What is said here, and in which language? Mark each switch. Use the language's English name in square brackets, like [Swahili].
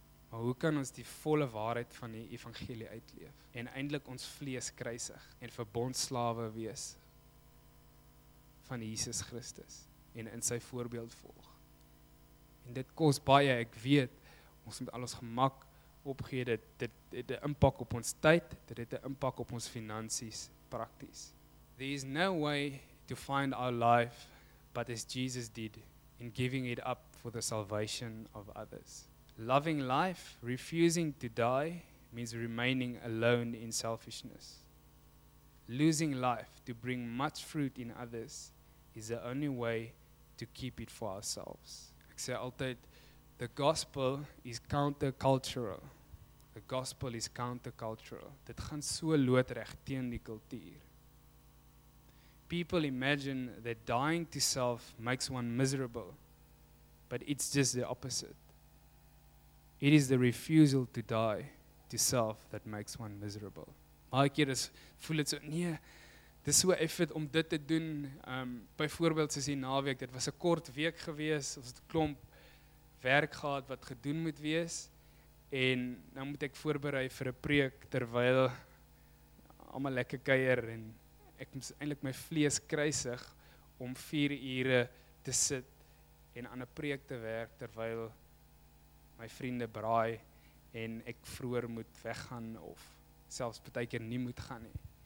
[Afrikaans] Maar hoe kan ons die volle waarheid van die evangelie uitleef en eindelik ons vlees kruisig en verbondslawe wees van Jesus Christus en in sy voorbeeld volg? En dit kos baie, ek weet, ons moet alles gemak opgee, dit het 'n impak op ons tyd, dit het 'n impak op ons finansies, prakties. [English] There is no way to find our life, but as Jesus did, in giving it up for the salvation of others. Loving life, refusing to die, means remaining alone in selfishness. Losing life to bring much fruit in others is the only way to keep it for ourselves. [Afrikaans] Ek sê altyd, [English] the gospel is countercultural. The gospel is countercultural. [Afrikaans] Dit gaan so loodreg teen die kultuur. [English] People imagine that dying to self makes one miserable, but it's just the opposite. It is the refusal to die to self that makes one miserable. [Afrikaans] Maar ek voel dit so, nee, dis so effort om dit te doen. Byvoorbeeld soos die naweek, dit was 'n kort week gewees, ons het klomp werk gehad wat gedoen moet wees, en nou moet ek voorberei vir 'n preek terwyl almal lekker kuier, en ek moes eintlik my vlees kruisig om 4 ure te sit en aan 'n preek te werk terwyl my vriende braai en ek vroeër moet weggaan of selfs partykeer nie moet gaan nie.